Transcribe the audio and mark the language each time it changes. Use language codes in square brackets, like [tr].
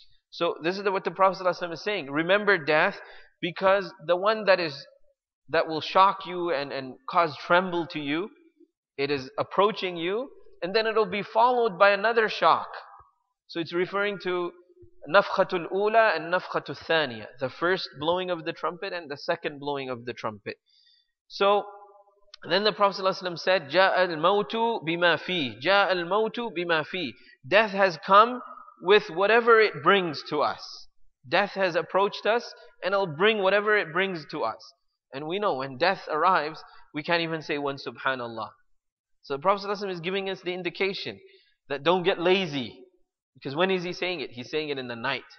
[en] So this is what the Prophet ﷺ is saying. Remember death, because the one that will shock you and cause tremble to you, it is approaching you, and then it'll be followed by another shock. So it's referring to Nafkhatul Ula and Nafkhatul Thaniya, the first blowing of the trumpet and the second blowing of the trumpet. So then the Prophet ﷺ said, [ar] جَاءَ الْمَوْتُ بِمَا فِيهِ جَاءَ الْمَوْتُ بِمَا فِيهِ. [en] Death has come with whatever it brings to us. Death has approached us and it'll bring whatever it brings to us. And we know when death arrives, we can't even say one subhanAllah. So the Prophet ﷺ is giving us the indication that don't get lazy. Because when is he saying it? He's saying it in the night.